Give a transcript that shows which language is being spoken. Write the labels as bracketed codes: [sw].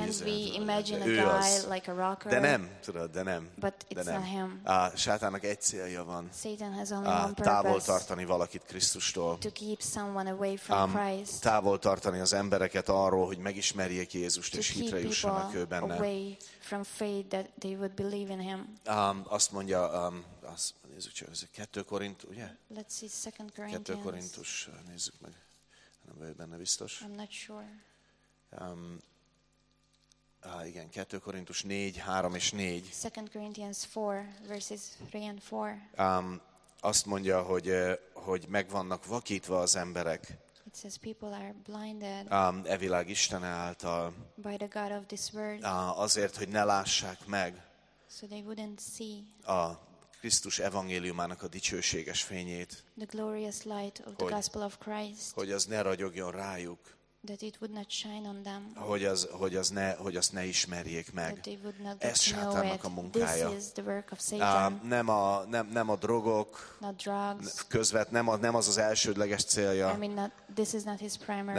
[en] and we imagine a guy [hu] az, [en] like a rocker, [hu] de nem, tudod, de nem. [en] But it's [hu] de nem. [en] Not him. [hu] Sátának egy célja van. [en] Satan has only one purpose. [hu] Távol tartani valakit Krisztustól. [en] To keep someone away from Christ. [hu] Távol tartani az embereket arról, hogy megismerjék Jézust és hitre jussanak ő benne. [en] Away from faith that they would believe in him. [hu] Azt mondja, nézzük csak, ez a 2 Korintus, ugye? [en] Let's see 2 Corinthians. [hu] 2 Korintus, nézzük meg. Nem vagyok benne biztos. [en] I'm not sure. [hu] Igen, 2 Korintus 4, 3 és 4. [en] 2 Corinthians 4, verses 3 and 4. [hu] Azt mondja, hogy megvannak vakítva az emberek. [en] It says people are blinded. [hu] E világ Isten által. [en] By the God of this world. [hu] Azért, hogy ne lássák meg. [en] So they wouldn't see. [hu] Krisztus evangéliumának a dicsőséges fényét, [en] the glorious light of the gospel of Christ, [hu] hogy az ne ragyogjon rájuk, [en] that it would not shine on them, [hu] hogy azt ne ismerjék meg. [en] That they would not get [hu] ez sátánnak a munkája. [en] This is the work of Satan. [hu] Nem a drogok, [en] not drugs, [hu] nem az elsődleges célja. [en] I mean, this is not his primary